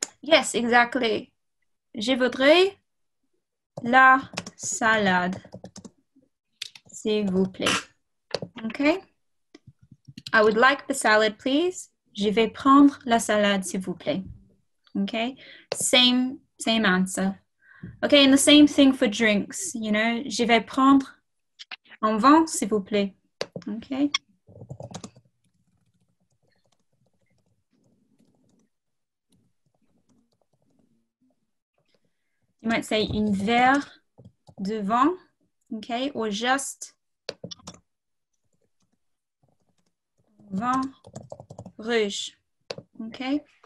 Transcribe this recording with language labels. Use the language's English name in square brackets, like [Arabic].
[English] Yes, exactly. [French] Je voudrais la salade, s'il vous plaît. [English] Okay. I would like the salad, please. [French] Je vais prendre la salade, s'il vous plaît. [English] Okay. Same answer. Okay, and the same thing for drinks, you know. [French] Je vais prendre un vin, s'il vous plaît. [English] Okay. You might say [French] une verre de vin, [English] okay, or just [French] vin rouge, [English] okay.